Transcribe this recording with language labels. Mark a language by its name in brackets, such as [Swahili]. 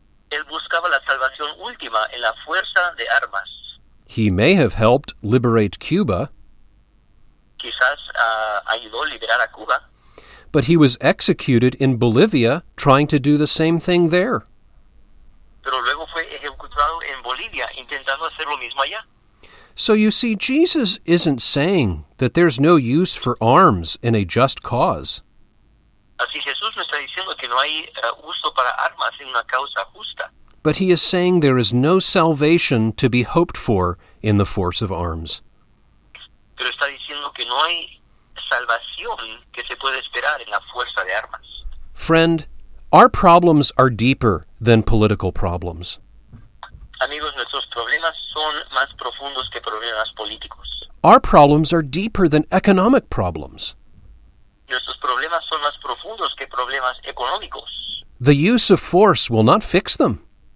[Spanish] Él buscaba la salvación última en la fuerza de armas. [English] He may have helped liberate Cuba. [Spanish] Quizás ayudó a liberar a Cuba. [English] But he was executed in Bolivia trying to do the same thing there. [Spanish] Pero luego fue ejecutado en Bolivia intentando hacer lo mismo allá. [English] So you see, Jesus isn't saying that there's no use for arms in a just cause. [Spanish] Así Jesús no está diciendo que no hay uso para armas en una causa justa. [English] But he is saying there is no salvation to be hoped for in the force of arms. [Spanish] Pero está diciendo que no hay salvación que se puede esperar en la fuerza de armas. [English] Friend, our problems are deeper than political problems. [Spanish] Amigos, nuestros problemas son más profundos que problemas políticos. [English] Our problems are deeper than economic problems. [Spanish] Nuestros problemas son más profundos que problemas económicos. [English] The use of force will not fix them.